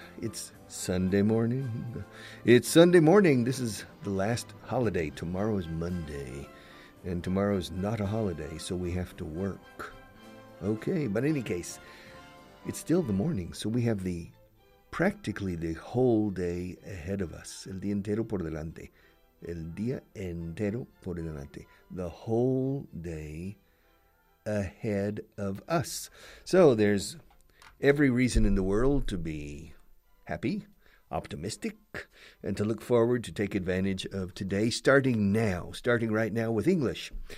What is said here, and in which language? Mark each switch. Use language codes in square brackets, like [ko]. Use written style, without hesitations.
[en] It's Sunday morning. It's Sunday morning. This is the last holiday. Tomorrow is Monday. And tomorrow's not a holiday, so we have to work. Okay, but in any case, it's still the morning, so we have practically the whole day ahead of us. [es] El día entero por delante. El día entero por delante. [en] The whole day ahead of us. So there's every reason in the world to be happy, optimistic, and to look forward to take advantage of today, starting now, starting right now with English.